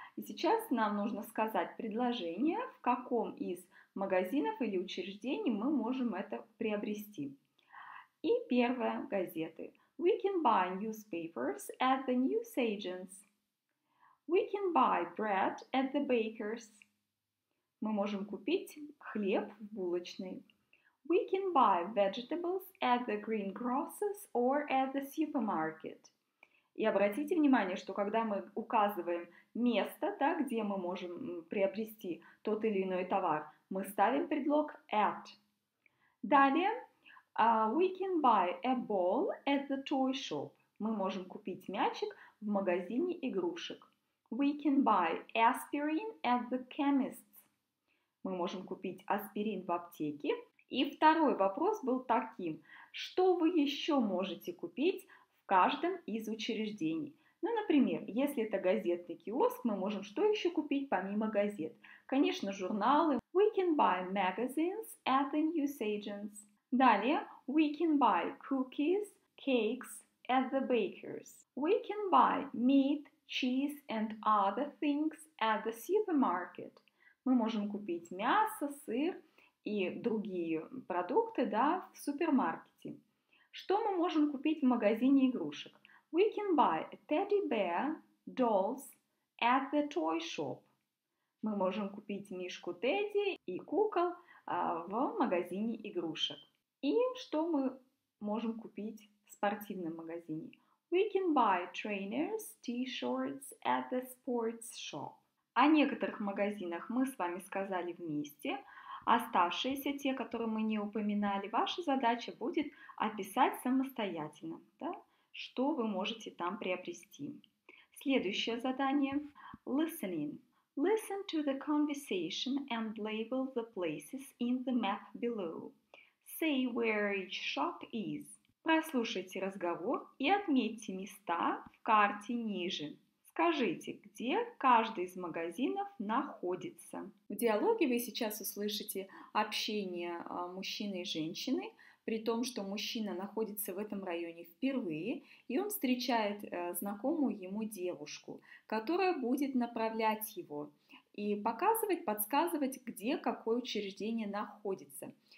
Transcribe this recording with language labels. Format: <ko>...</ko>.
<ru>И сейчас нам нужно сказать предложение, в каком из магазинов или учреждений мы можем это приобрести. И первое – газеты.</ru> <en>We can buy newspapers at the newsagents. We can buy bread at the bakers.</en> <ru>Мы можем купить хлеб в булочной.</ru> <en>We can buy vegetables at the greengrocers or at the supermarket.</en> <ru>И обратите внимание, что когда мы указываем место, да, где мы можем приобрести тот или иной товар, мы ставим предлог at. Далее,</ru> <en>we can buy a ball at the toy shop.</en> <ru>Мы можем купить мячик в магазине игрушек.</ru> <en>We can buy aspirin at the chemist.</en> <ru>Мы можем купить аспирин в аптеке. И второй вопрос был таким. Что вы еще можете купить в каждом из учреждений? Ну, например, если это газетный киоск, мы можем что еще купить помимо газет? Конечно, журналы.</ru> <en>We can buy magazines at the newsagents.</en> <ru>Далее,</ru> <en>we can buy cookies, cakes at the bakers. We can buy meat, cheese and other things at the supermarket.</en> <ru>Мы можем купить мясо, сыр и другие продукты, да, в супермаркете. Что мы можем купить в магазине игрушек?</ru> <en>We can buy teddy bear dolls at the toy shop.</en> <ru>Мы можем купить мишку Тедди и кукол в магазине игрушек. И что мы можем купить в спортивном магазине?</ru> <en>We can buy trainers, t-shirts at the sports shop.</en> <ru>О некоторых магазинах мы с вами сказали вместе. Оставшиеся, те, которые мы не упоминали, ваша задача будет описать самостоятельно, да, что вы можете там приобрести. Следующее задание.</ru> <en>Listening. Listen to the conversation and label the places in the map below. Say where each shop is.</en> <ru>Прослушайте разговор и отметьте места в карте ниже. Скажите, где каждый из магазинов находится. В диалоге вы сейчас услышите общение мужчины и женщины. при том, что мужчина находится в этом районе впервые, и он встречает знакомую ему девушку, которая будет направлять его и показывать, подсказывать, где какое учреждение находится.</ru>